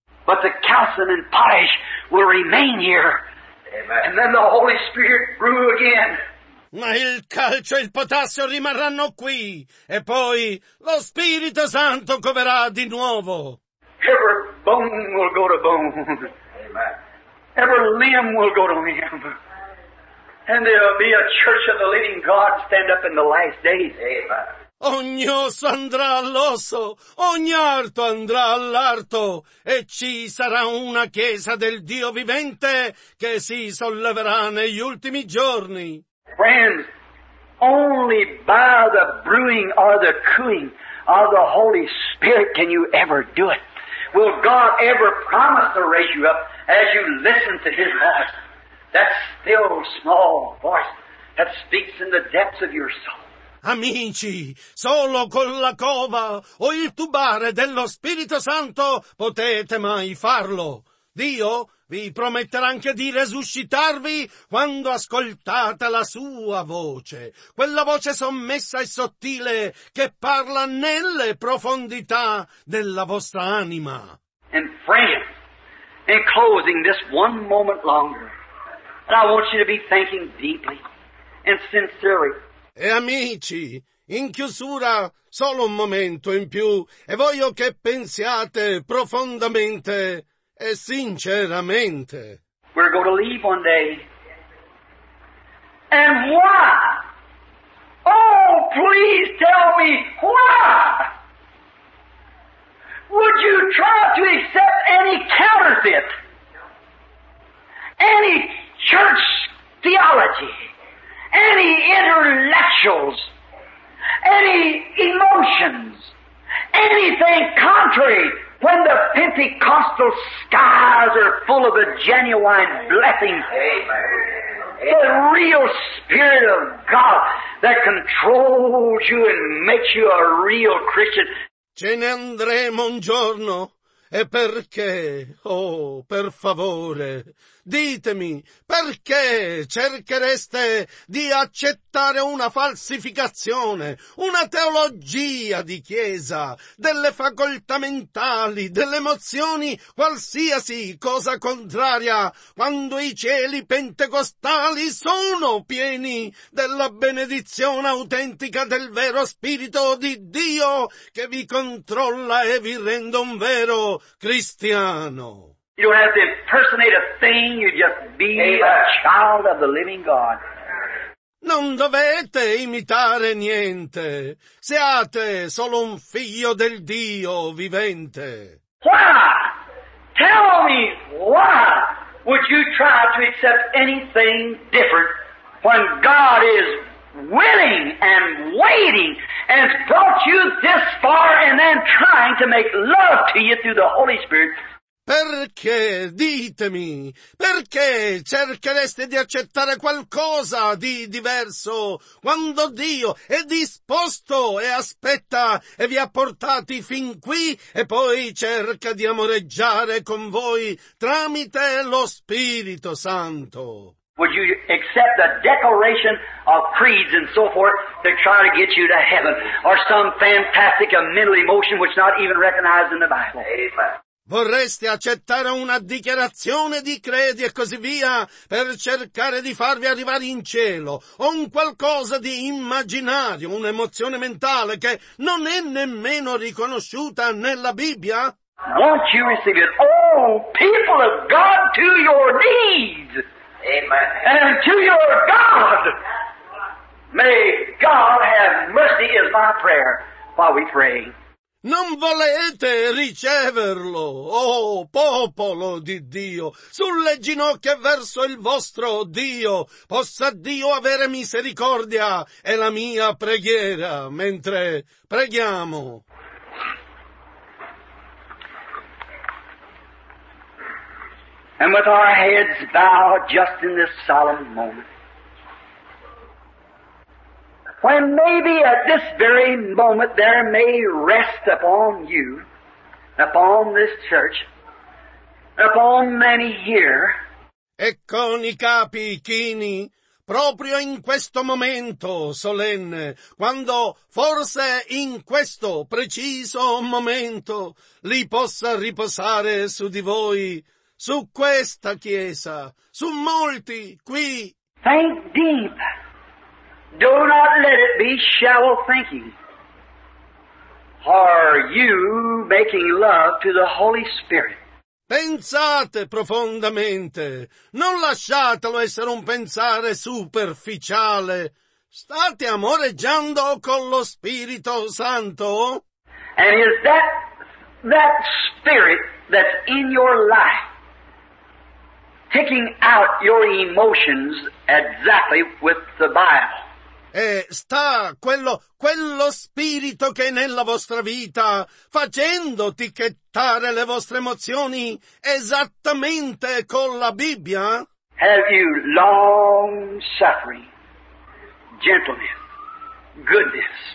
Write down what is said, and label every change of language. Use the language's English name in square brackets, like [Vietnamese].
[English] But the calcium and potash will remain here. Amen. And then the Holy Spirit grew again. [Italian] Ma il calcio e il potassio rimarranno qui, e poi lo Spirito Santo coverà di nuovo. [English] Every bone will go to bone. Amen. Every limb will go to limb. And there will be a church of the living God stand up in the last days. Amen. [Italian] Ogni osso andrà all'osso, ogni arto andrà all'arto, e ci sarà una chiesa del Dio vivente che si solleverà negli ultimi giorni. [English] Friends, only by the brewing or the cooing of the Holy Spirit can you ever do it. Will God ever promise to raise you up as you listen to His voice? That still, small voice that speaks in the depths of your soul. [Italian] Amici, solo con la cova o il tubare dello Spirito Santo potete mai farlo. Dio vi prometterà anche di resuscitarvi quando ascoltate la sua voce, quella voce sommessa e sottile che parla nelle profondità della vostra anima. [English] And friends, in closing this one moment longer, I want you to be thinking deeply and sincerely. [Italian] E amici, in chiusura, solo un momento in più, e voglio che pensiate profondamente e sinceramente. [English] We're going to leave one day. And why? Oh, please tell me why would you try to accept any counterfeit, any church theology, any intellectuals, any emotions, anything contrary, when the Pentecostal skies are full of the genuine blessing, the real Spirit of God that controls you and makes you a real Christian. [Italian] Ce ne andremo un giorno, E perché, oh, per favore, ditemi, perché cerchereste di accettare una falsificazione, una teologia di chiesa, delle facoltà mentali, delle emozioni, qualsiasi cosa contraria, quando i cieli pentecostali sono pieni della benedizione autentica del vero Spirito di Dio che vi controlla e vi rende un vero cristiano? [English] You don't have to impersonate a thing, you just be a child of the living God. [Italian] Non dovete imitare niente, siate solo un figlio del Dio vivente. [English] Why? Tell me why would you try to accept anything different when God is willing and waiting and has brought you this far and then trying to make love to you through the Holy Spirit? [Italian] Perché, ditemi, perché cerchereste di accettare qualcosa di diverso quando Dio è disposto e aspetta e vi ha portati fin qui e poi cerca di amoreggiare con voi tramite lo Spirito Santo? [English] Would you accept the declaration of creeds and so forth to try to get you to heaven, or some fantastic mental emotion which not even recognized in the Bible? Amen. [Italian] Vorreste accettare una dichiarazione di credi e così via per cercare di farvi arrivare in cielo, o un qualcosa di immaginario, un'emozione mentale che non è nemmeno riconosciuta nella Bibbia? [English] Won't you receive it? Oh, people of God, to your knees! Amen. And to your God! May God have mercy is my prayer while we pray. [Italian] Non volete riceverlo, oh popolo di Dio, sulle ginocchia verso il vostro Dio, possa Dio avere misericordia, è la mia preghiera, mentre preghiamo. [English] And with our heads bowed just in this solemn moment, when maybe at this very moment there may rest upon you, upon this church, upon many here. [Italian] E con i capi chini, proprio in questo momento solenne, quando forse in questo preciso momento lì possa riposare su di voi, su questa chiesa, su molti qui. [English] Think deep. Do not let it be shallow thinking. Are you making love to the Holy Spirit? [Italian] Pensate profondamente. Non lasciatelo essere un pensare superficiale. State amoreggiando con lo Spirito Santo? [English] And is that Spirit that's in your life picking out your emotions exactly with the Bible? [Italian] E sta quello spirito che è nella vostra vita facendo ticchettare le vostre emozioni esattamente con la Bibbia? [English] Have you long suffering, gentleness, goodness?